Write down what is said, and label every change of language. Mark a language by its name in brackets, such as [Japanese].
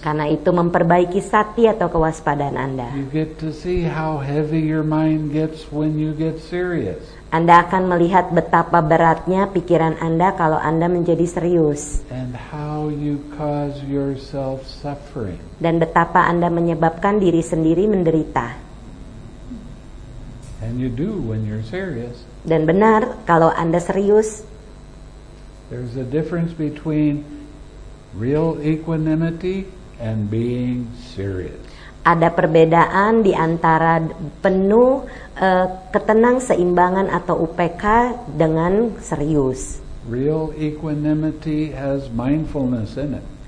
[Indonesian] Karena itu memperbaiki sati atau kewaspadaan Anda. [English] You get to see how heavy your mind gets when you get serious. [Indonesian] Anda akan melihat betapa beratnya pikiran Anda kalau Anda menjadi serius. [English] And how you cause yourself suffering. [Indonesian] Dan betapa Anda menyebabkan diri sendiri menderita. [English] And you do when you're serious. [Indonesian] Dan benar kalau Anda serius. [English] There's a difference between real equanimity and being serious. [Indonesian] Ada perbedaan di antara penuh ketenang seimbangan atau UPK dengan serius. [English] Real equanimity has mindfulness in it.